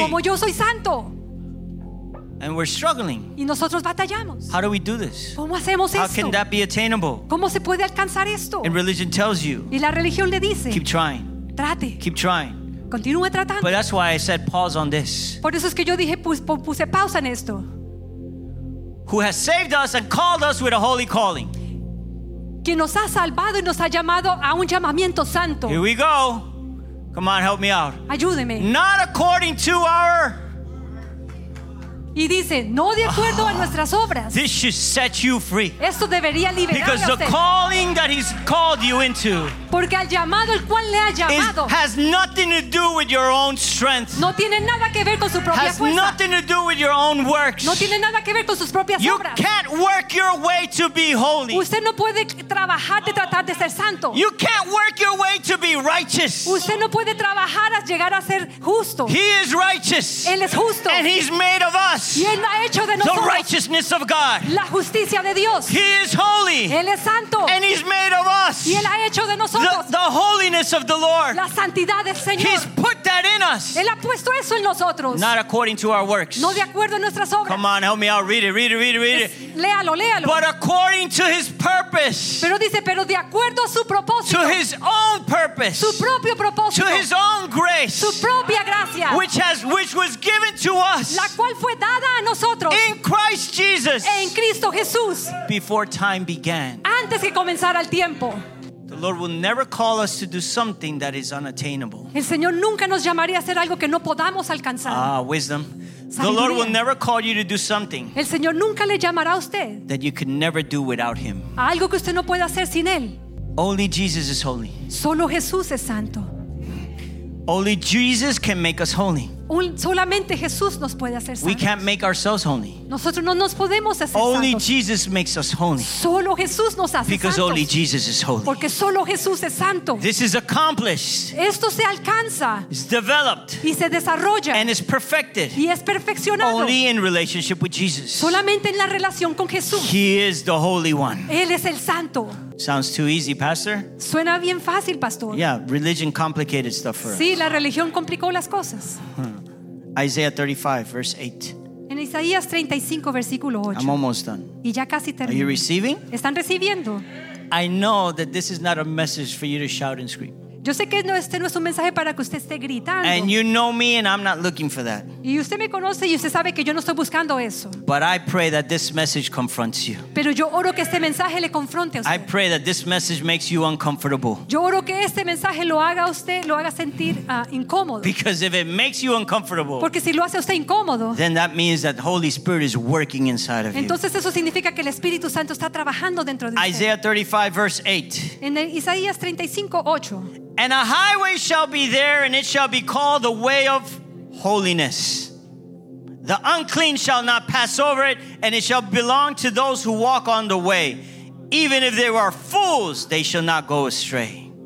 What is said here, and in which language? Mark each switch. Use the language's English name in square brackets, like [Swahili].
[Spanish] Como yo soy santo. [English] And we're struggling. [Spanish] Y nosotros batallamos. [English] How do we do this? [Spanish] ¿Cómo hacemos [English] How [Spanish] esto? [English] Can that be attainable? [Spanish] ¿Cómo se puede alcanzar esto? [English] And religion tells you. [Spanish] Y la religión le dice. [English] Keep trying. [Spanish] Trate. [English] Keep trying. [Spanish] Continúe tratando. [English] But that's why I said pause on this. [Spanish] Por eso es que yo dije puse pausa en esto. [English] Who has saved us and called us with a holy calling? [Spanish] Que nos ha salvado y nos ha llamado a un llamamiento santo. [English] Here we go. Come on, help me out. [Spanish] Ayúdeme. [English] Not according to our. [Spanish] Y dice, no de acuerdo a nuestras obras. [English] This should set you free. [Spanish] Esto debería liberarte. [English] Because the calling that he's called you into. [Spanish] Porque el llamado al cual le ha llamado. [English] Has nothing to do with your own strength. [Spanish] No tiene nada que ver con su propia [English] has [Spanish] fuerza. [English] Has nothing to do with your own works. [Spanish] No tiene nada que ver con sus propias [English] you [Spanish] obras. [English] You can't work your way to be holy. [Spanish] Usted no puede trabajar de tratar de ser santo. [English] You can't work your way to be righteous. [Spanish] Usted no puede trabajar a llegar a ser justo. [English] He is righteous. [Spanish] Él es justo. [English] And he's made of us. [Spanish] Y él ha hecho de nosotros [English] the righteousness of God. [Spanish] La justicia de Dios. [English] He is holy. [Spanish] Él es santo. [English] And he's made of us. [Spanish] Y él ha hecho de nosotros [English] the holiness of the Lord. [Spanish] La santidad del Señor. [English] He's put that in us. [Spanish] Él ha puesto eso en nosotros. [English] Not according to our works. [Spanish] No de acuerdo a nuestras obras. [English] Come on, help me out. Read it, read it, read it, read it. [Spanish] Léalo, léalo. [English] But according to his purpose. [Spanish] Pero dice, pero de acuerdo a su propósito. [English] To his own purpose. [Spanish] Su propio propósito. [English] To his own grace. [Spanish] Su propia gracia. [English] Which was given to us. [Spanish] La cual fue dada a nosotros. [English] In Christ Jesus. [Spanish] En Cristo Jesús. [English] Before time began. [Spanish] Antes que comenzara el tiempo. [English] The The Lord will never call us to do something that is unattainable. [Spanish] El Señor nunca nos llamaría a hacer algo que no podamos alcanzar. [English] Wisdom. Sabiduría. The Lord will never call you to do something. [Spanish] El Señor nunca le llamará a usted. [English] That you can never do without Him. [Spanish] Algo que usted no puede hacer sin él. [English] Only Jesus is holy. [Spanish] Solo Jesús es santo. [English] Only Jesus can make us holy. [Spanish] Solamente Jesús nos puede hacer santos. [English] We can't make ourselves holy. [Spanish] Nosotros no nos podemos hacer santos. [English] Only Jesus makes us holy. [Spanish] Solo Jesús nos hace [English] Because only Jesus is holy. [Spanish] Porque solo Jesús es santo. [English] This is accomplished. [Spanish] Esto se alcanza. [English] It's developed. [Spanish] Y se desarrolla. [English] And it's perfected. [Spanish] Y es perfeccionado. [English] Only in relationship with Jesus. [Spanish] Solamente en la relación con Jesús. [English] He is the Holy One. [Spanish] Él es el Santo. [English] Sounds too easy, Pastor. [Spanish] Suena bien fácil, Pastor. [English] Yeah, religion complicated stuff for us. [Spanish] Sí, la religión complicó las cosas. [English] Isaiah 35, verse 8. [Spanish] En Isaías 35, versículo 8. [English] I'm almost done. [Spanish] Y ya casi termino. [English] Are you receiving? [Spanish] ¿Están recibiendo? [English] I know that this is not a message for you to shout and scream. [Spanish] Yo sé que este no es un mensaje para que usted esté gritando. [English] And you know me and I'm not looking for that. [Spanish] Y usted me conoce y usted sabe que yo no estoy buscando eso. [English] But I pray that this message confronts you. [Spanish] Pero yo oro que este mensaje le confronte a usted. [English] I pray that this message makes you uncomfortable. [Spanish] Yo oro que este mensaje lo haga a usted, lo haga sentir incómodo. [English] Because if it makes you uncomfortable. [Spanish] Porque si lo hace a usted incómodo. [English] Then that means that Holy Spirit is working inside of you. [Spanish] Entonces eso significa que el Espíritu Santo está trabajando dentro de usted. [English] Isaiah 35 verse 8. [Spanish] En Isaías 35:8. [English] And a highway shall be there, and it shall be called the way of holiness. The unclean shall not pass over it, and it shall belong to those who walk on the way. Even if they were fools, they shall not go astray.